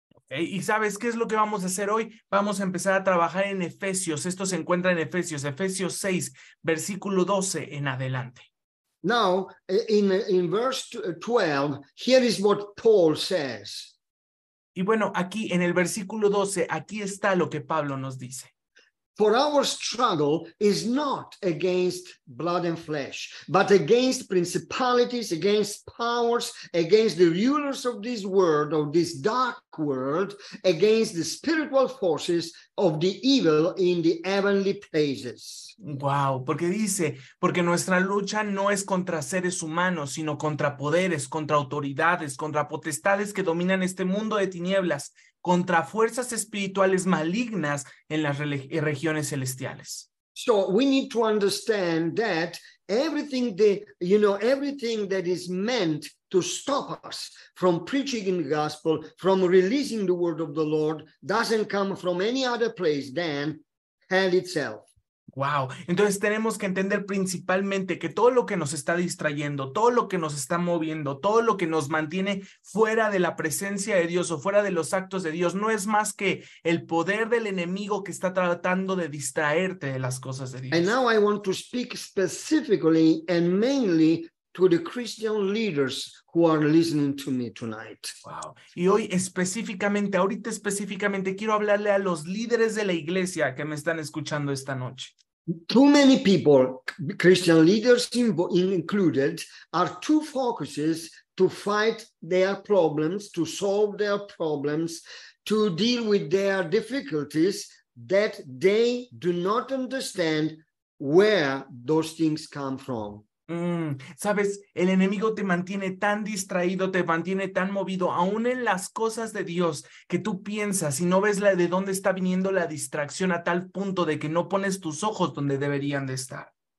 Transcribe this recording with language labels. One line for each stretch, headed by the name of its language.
Spanish: Y sabes, ¿qué es lo que vamos a hacer hoy? Vamos a empezar a trabajar en Efesios. Esto se encuentra en Efesios 6, versículo 12 en adelante.
English: Now, in verse 12, here is what Paul says.
Spanish: Y bueno, aquí en el versículo 12, aquí está lo que Pablo nos dice.
English: For our struggle is not against blood and flesh, but against principalities, against powers, against the rulers of this world, of this dark world, against the spiritual forces of the evil in the heavenly places.
Spanish: Wow, porque dice, porque nuestra lucha no es contra seres humanos, sino contra poderes, contra autoridades, contra potestades que dominan este mundo de tinieblas, contra fuerzas espirituales malignas en las regiones celestiales.
English: So we need to understand that everything the, you know, everything that is meant to stop us from preaching the gospel, from releasing the word of the Lord, doesn't come from any other place than hell itself.
Spanish: Wow, entonces tenemos que entender principalmente que todo lo que nos está distrayendo, todo lo que nos está moviendo, todo lo que nos mantiene fuera de la presencia de Dios o fuera de los actos de Dios, no es más que el poder del enemigo que está tratando de distraerte de las cosas de Dios.
English: And now I want to speak specifically and mainly to the Christian leaders who are listening to me tonight. Wow.
Spanish: Y hoy específicamente, ahorita específicamente, quiero hablarle a los líderes de la iglesia que me están escuchando esta noche.
English: Too many people, Christian leaders included, are too focused to fight their problems, to solve their problems, to deal with their difficulties, that they do not understand where those things come from.
Spanish: Sabes, el enemigo te mantiene tan distraído, te mantiene tan movido, aún en las cosas de Dios, que tú piensas y no ves la de dónde está viniendo la distracción a tal punto de que no pones tus ojos donde deberían de estar.